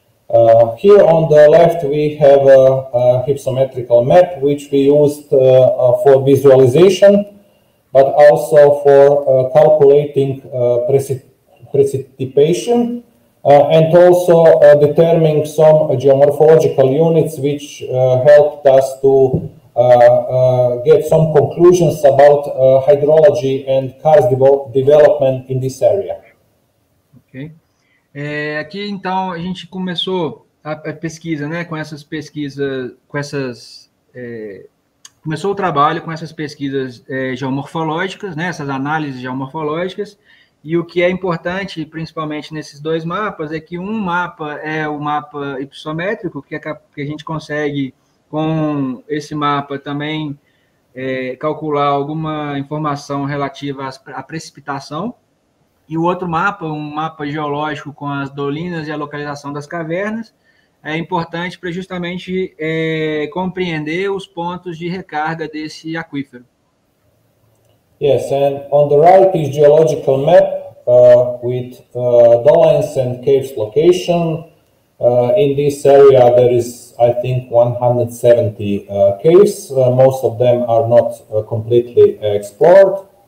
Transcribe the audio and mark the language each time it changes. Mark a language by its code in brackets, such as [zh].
[en] Here on the left we have a hypsometrical map which we used for visualization, but also for calculating precipitation. And also determining some geomorphological units which helped us to get some conclusions about hydrology and karst development in this area. Okay. [pt] Aqui então a gente começou a pesquisa, né, começou o trabalho com essas pesquisas geomorfológicas, né, essas análises geomorfológicas. E o que é importante, principalmente nesses dois mapas, é que um mapa é o mapa hipsométrico, que a gente consegue, com esse mapa, também calcular alguma informação relativa à precipitação. E o outro mapa, um mapa geológico com as dolinas e a localização das cavernas, é importante para justamente compreender os pontos de recarga desse aquífero. [en] Yes, and on the right is geological map with dolines and caves location. In this area there is, I think, 170 caves. Most of them are not completely explored.